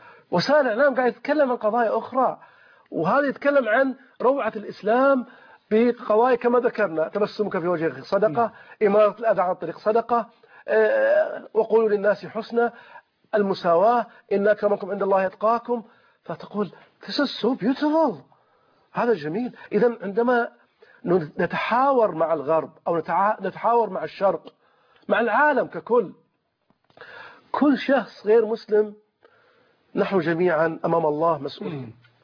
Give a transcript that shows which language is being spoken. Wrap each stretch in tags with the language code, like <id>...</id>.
<ar>وسائل الإعلام قاعد يتكلم عن قضايا أخرى، وهذا يتكلم عن روعة الإسلام بقضايا كما ذكرنا، تبسمك في وجهك صدقة، إمارة الأذى عن طريق صدقة، وقولوا للناس حسنة، المساواة، إن أكرمكم عند الله أتقاكم. فتقول</ar> <en>this is so beautiful,</en> <ar>هذا جميل. إذا عندما نتحاور مع الغرب أو نتحاور مع الشرق، مع العالم ككل، كل شخص غير مسلم نحن جميعا أمام الله مسؤولين.</ar>